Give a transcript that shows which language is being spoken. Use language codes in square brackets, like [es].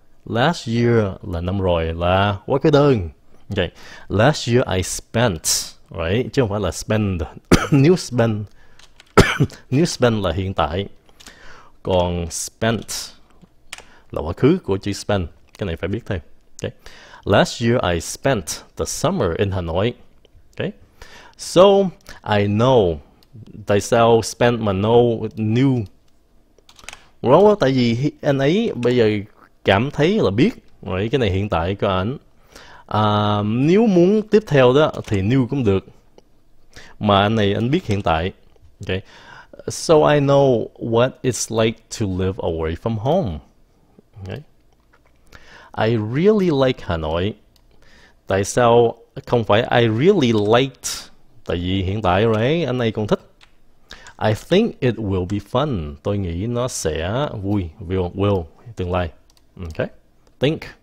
[en] Last year [vi] là năm rồi, là quá khứ đơn. [en] Okay. Last year I spent, right? [vi] Chứ không phải là [en] spend. New spend. [vi] New spend là hiện tại. Còn spent là quá khứ của chữ spend. Cái này phải biết thêm. Okay. [en] Last year I spent the summer in Hanoi. Okay. So I know. [vi] Tại sao [en] spend mà know new? [vi] Đúng không? Tại vì anh ấy bây giờ cảm thấy là biết. [en] Right. [vi] Cái này hiện tại của anh. Nếu muốn tiếp theo đó thì new cũng được. Mà anh này anh biết hiện tại. Okay. [en] So I know what it's like to live away from home. Okay. I really like Hanoi. [vi] Tại sao không phải [en] I really liked? [vi] Tại vì hiện tại rồi anh này còn thích. [en] I think it will be fun. [vi] Tôi nghĩ nó sẽ vui. Will tương lai. Okay. Think.